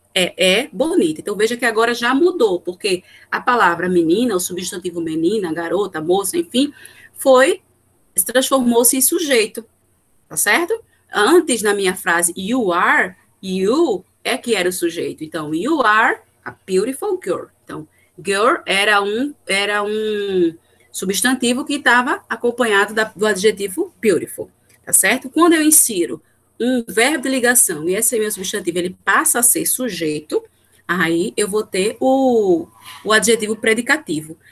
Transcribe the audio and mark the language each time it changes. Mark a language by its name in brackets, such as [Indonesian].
[Portuguese] É bonita. Então veja que agora já mudou, porque a palavra menina, o substantivo menina, garota, moça, enfim, foi, transformou-se em sujeito. Tá certo? Antes, na minha frase, [English] you are, [Portuguese] you é que era o sujeito. Então, [English] you are a beautiful girl. [Portuguese] Então, girl era um substantivo que estava acompanhado do adjetivo beautiful. Tá certo? Quando eu insiro um verbo de ligação, e esse é o meu substantivo, ele passa a ser sujeito, aí eu vou ter o adjetivo predicativo.